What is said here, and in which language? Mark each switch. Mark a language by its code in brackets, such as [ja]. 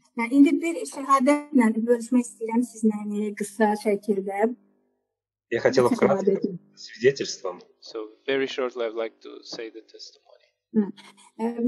[tr] Şimdi bir şehadetle görüşmek istiyorum sizinle kısa şekilde. [ru] Я хотел бы кратко свидетельством. [en] So very shortly I'd like to say the testimony.